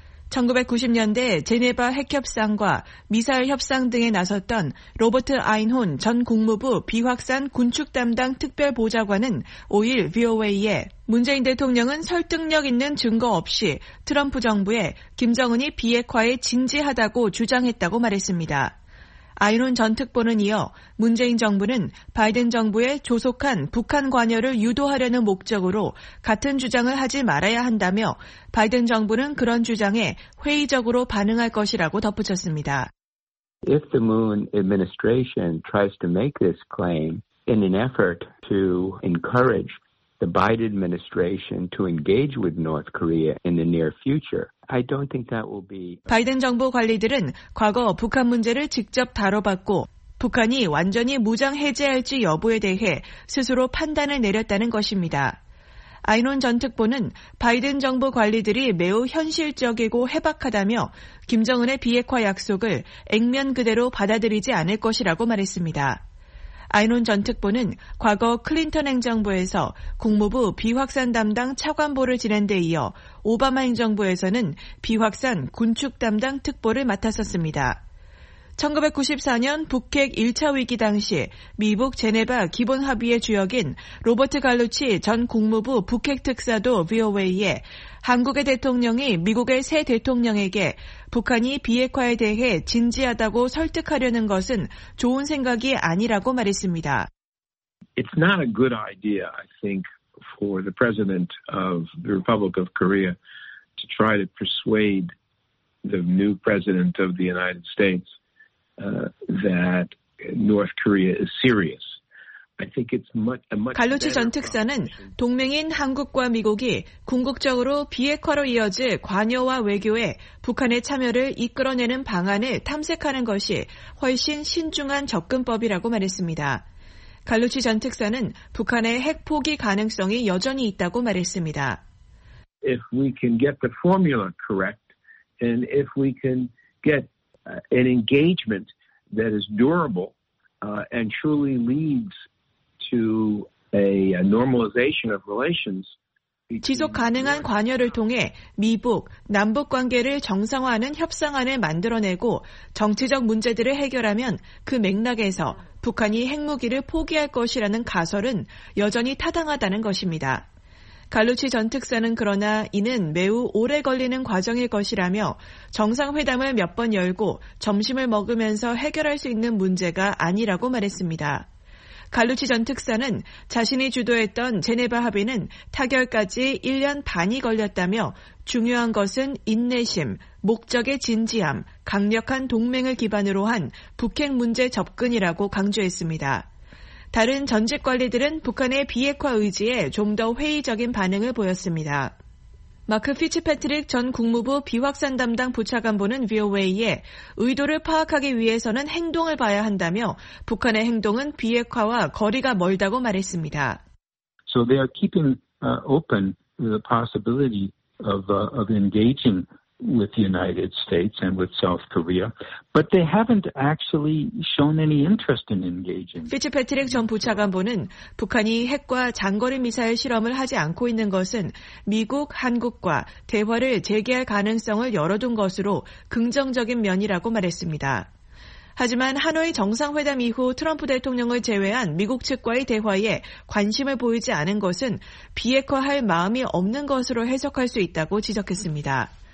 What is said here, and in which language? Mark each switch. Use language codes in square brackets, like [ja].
[ko] 1990년대 제네바 핵협상과 미사일 협상 등에 나섰던 로버트 아인혼 전 국무부 비확산 군축 담당 특별보좌관은 5일 VOA에 문재인 대통령은 설득력 있는 증거 없이 트럼프 정부에 김정은이 비핵화에 진지하다고 주장했다고 말했습니다. 아인혼 전 특보는 이어 문재인 정부는 바이든 정부의 조속한 북한 관여를 유도하려는 목적으로 같은 주장을 하지 말아야 한다며 바이든 정부는 그런 주장에 회의적으로 반응할 것이라고 덧붙였습니다. [en] If the Moon administration tries to make this claim in an effort to encourage the Biden administration to engage with North Korea in the near future, I don't think that will be. [ko] 바이든 정부 관리들은 과거 북한 문제를 직접 다뤄봤고 북한이 완전히 무장 해제할지 여부에 대해 스스로 판단을 내렸다는 것입니다. 아인혼 전 특보는 바이든 정부 관리들이 매우 현실적이고 해박하다며 김정은의 비핵화 약속을 액면 그대로 받아들이지 않을 것이라고 말했습니다. 아인혼 전 특보는 과거 클린턴 행정부에서 국무부 비확산 담당 차관보를 지낸 데 이어 오바마 행정부에서는 비확산 군축 담당 특보를 맡았었습니다. 1994년 북핵 1차 위기 당시 미북 제네바 기본 합의의 주역인 로버트 갈루치 전 국무부 북핵 특사도 VOA에 한국의 대통령이 미국의 새 대통령에게 북한이 비핵화에 대해 진지하다고 설득하려는 것은 좋은 생각이 아니라고 말했습니다. [en] It's not a good idea, I think, for the president of the Republic of Korea to try to persuade the new president of the United States that North Korea is serious. I think it's much [ko] 갈루치 전 특사는 동맹인 한국과 미국이 궁극적으로 비핵화로 이어질 관여와 외교에 북한의 참여를 이끌어내는 방안을 탐색하는 것이 훨씬 신중한 접근법이라고 말했습니다. 갈루치 전 특사는 북한의 핵포기 가능성이 여전히 있다고 말했습니다. [en] If we can get the formula correct and if we can get an engagement that is durable and truly leads to a normalization of relations. [ko] 지속 가능한 관여를 통해 미북, 남북 관계를 정상화하는 협상안을 만들어내고 정치적 문제들을 해결하면 그 맥락에서 북한이 핵무기를 포기할 것이라는 가설은 여전히 타당하다는 것입니다. 갈루치 전 특사는 그러나 이는 매우 오래 걸리는 과정일 것이라며 정상회담을 몇 번 열고 점심을 먹으면서 해결할 수 있는 문제가 아니라고 말했습니다. 갈루치 전 특사는 자신이 주도했던 제네바 합의는 타결까지 1년 반이 걸렸다며 중요한 것은 인내심, 목적의 진지함, 강력한 동맹을 기반으로 한 북핵 문제 접근이라고 강조했습니다. 다른 전직 관리들은 북한의 비핵화 의지에 좀 더 회의적인 반응을 보였습니다. 마크 피츠패트릭 전 국무부 비확산 담당 부차관보는 VOA에 의도를 파악하기 위해서는 행동을 봐야 한다며 북한의 행동은 비핵화와 거리가 멀다고 말했습니다. [en] So they are keeping open the possibility of engaging with the United States and with South Korea, but they haven't actually shown any interest in engaging. [ko] 피츠패트릭 전 부차관보는 북한이 핵과 장거리 미사일 실험을 하지 않고 있는 것은 미국, 한국과 대화를 재개할 가능성을 열어둔 것으로 긍정적인 면이라고 말했습니다. 하지만 하노이 정상회담 이후 트럼프 대통령을 제외한 미국 측과의 대화에 관심을 보이지 않은 것은 비핵화할 마음이 없는 것으로 해석할 수 있다고 지적했습니다.